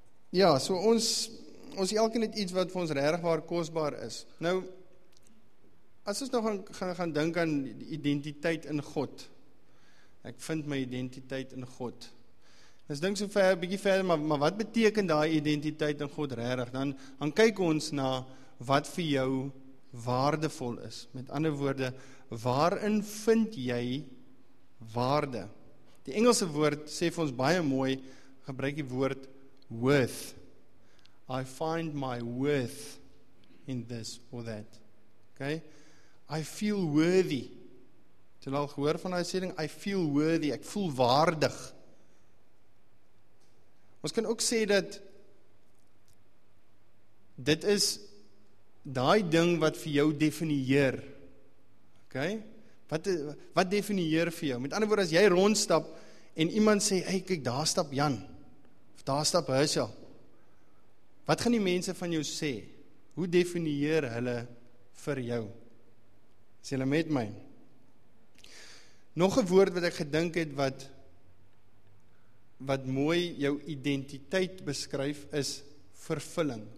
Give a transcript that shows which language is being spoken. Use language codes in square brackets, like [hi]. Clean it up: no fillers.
[af] ja, so ons elke net iets wat vir ons regwaar kostbaar is, nou, as ons nou gaan dink aan die identiteit in God, ek vind my identiteit in God, as dink so ver, bietjie verder, maar wat beteken daai identiteit in God regtig, dan kyk ons na wat vir jou waardevol is, met ander woorde, waarin vind jy waarde? Die Engelse woord sê vir ons baie mooi, gebruik die woord worth. [en] I find my worth in this or that. Okay? I feel worthy. [af] Het jy al gehoor van die sêding? [en] I feel worthy. [af] Ek voel waardig. Ons kan ook sê dat dit is daai ding wat vir jou definieer. Okay? Wat definieer vir jou? Met ander woord, as jy rondstap en iemand sê, hey, kyk, daar stap Jan, of daar stap Hershel, wat gaan die mense van jou sê? Hoe definieer hulle vir jou? Is hulle met my? Nog een woord wat ek gedink het, wat mooi jou identiteit beskryf, is vervulling.